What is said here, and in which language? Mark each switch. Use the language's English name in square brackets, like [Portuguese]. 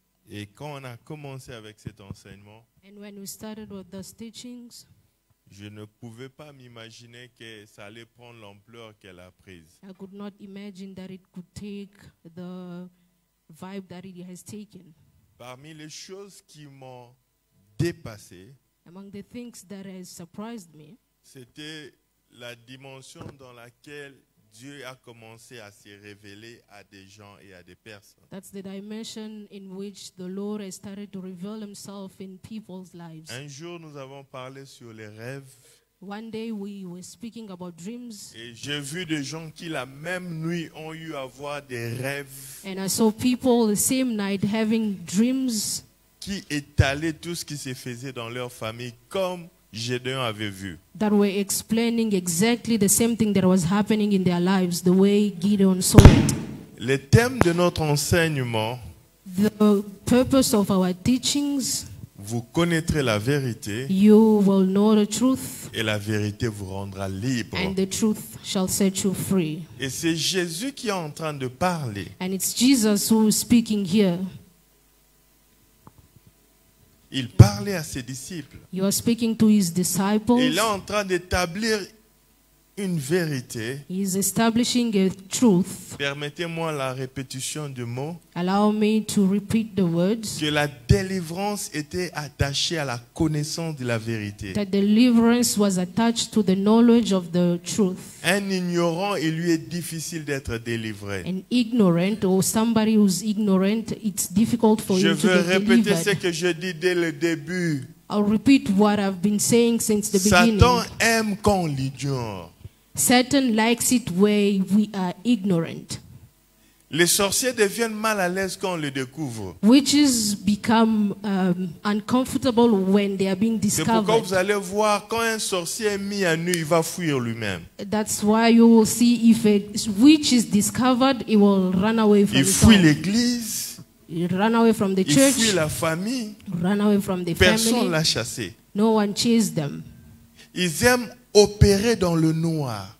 [French] Et quand on a commencé avec cet enseignement, [English] and when we started with those teachings, [French] je ne pouvais pas m'imaginer que ça allait prendre l'ampleur qu'elle a prise. [English] I could not imagine that it could take the vibe that it has taken. [French] Parmi les choses qui m'ont dépassé, [English] among the things that has surprised me, [French] c'était la dimension dans laquelle Dieu a commencé à se révéler à des gens et à des personnes. [English] That's the dimension in which the Lord has started to reveal himself in people's lives. [French] Un jour, nous avons parlé sur les rêves. [English] One day we were speaking about dreams. [French] Et j'ai vu des gens qui la même nuit ont eu à voir des rêves. [English] And I saw people the same night having dreams. [French] Qui étalaient tout ce qui se faisait dans leur famille comme Gédéon avait vu. [English] That were explaining exactly the same thing that was happening in their lives, the way Gideon saw it. [French] Le thème de notre enseignement, [English] the purpose of our teachings, [French] vous connaîtrez la vérité, [English] you will know the truth, [French] et la vérité vous rendra libre, [English] and the truth shall set you free. [French] Et c'est Jésus qui est en train de parler, [English] and it's Jesus who is speaking here. [French] Il parlait à ses disciples. [English] You are speaking to his disciples. [French] Il est en train d'établir une vérité. [English] He is establishing a truth. [French] Permettez-moi la répétition de mots. [English] Allow me to repeat the words. [French] Que la délivrance était attachée à la connaissance de la vérité. [English] That deliverance was attached to the knowledge of the truth. [French] Un ignorant, il lui est difficile d'être délivré. [English] An ignorant or somebody who's ignorant, it's difficult for him to be [French] Je veux répéter ce que je dis dès le début. [English] I'll repeat what I've been saying since the beginning. [French] Satan aime quand on l'ignore. [English] Satan likes it where we are ignorant. [French] Les sorciers deviennent mal à l'aise quand on les découvre. [English] Witches become uncomfortable when they are being discovered. [French] C'est pourquoi vous allez voir quand un sorcier est mis à nu, il va fuir lui-même. [English] That's why you will see if a witch is discovered, he will run away from the church. [French] Il fuit l'église. [English] He ran away from the church. [French] Il fuit la famille. [English] Ran away from the [French] Personne [English] family. [French] L'a chassé. [English] No one chased them. [French] Ils aiment opérer dans le noir.